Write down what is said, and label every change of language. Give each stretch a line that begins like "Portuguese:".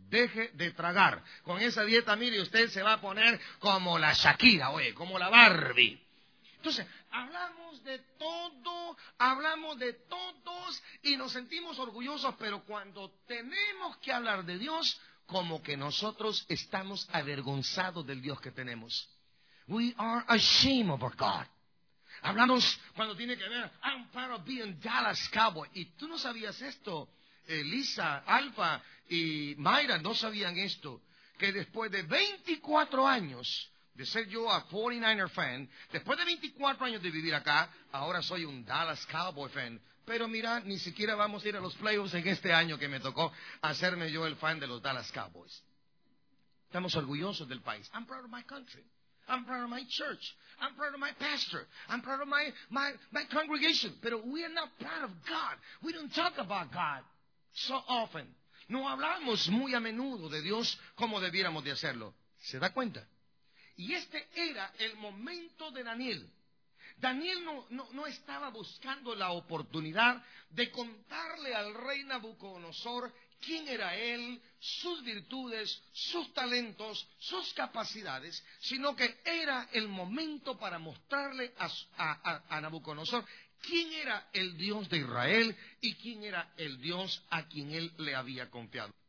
Spanish: Deje de tragar. Con esa dieta, mire, usted se va a poner como la Shakira, oye, como la Barbie. Entonces, hablamos de todo, hablamos de todos y nos sentimos orgullosos, pero cuando tenemos que hablar de Dios, como que nosotros estamos avergonzados del Dios que tenemos.
English: We are ashamed of our God.
Spanish: Hablamos cuando tiene que ver,
English: I'm proud of being Dallas Cowboy.
Spanish: ¿Y tú no sabías esto? Elisa, Alfa y Mayra no sabían esto, que después de 24 años de ser yo
English: a 49er fan,
Spanish: después de 24 años de vivir acá, ahora soy un Dallas Cowboy fan. Pero mira, ni siquiera vamos a ir a los playoffs en este año que me tocó hacerme yo el fan de los Dallas Cowboys. Estamos orgullosos del país.
English: I'm proud of my country. I'm proud of my church. I'm proud of my pastor. I'm proud of my congregation. But we are not proud of God. We don't talk about God. So often,
Spanish: no hablamos muy a menudo de Dios como debiéramos de hacerlo. ¿Se da cuenta? Y este era el momento de Daniel. Daniel no estaba buscando la oportunidad de contarle al rey Nabucodonosor quién era él, sus virtudes, sus talentos, sus capacidades, sino que era el momento para mostrarle a Nabucodonosor quién era el Dios de Israel y quién era el Dios a quien él le había confiado.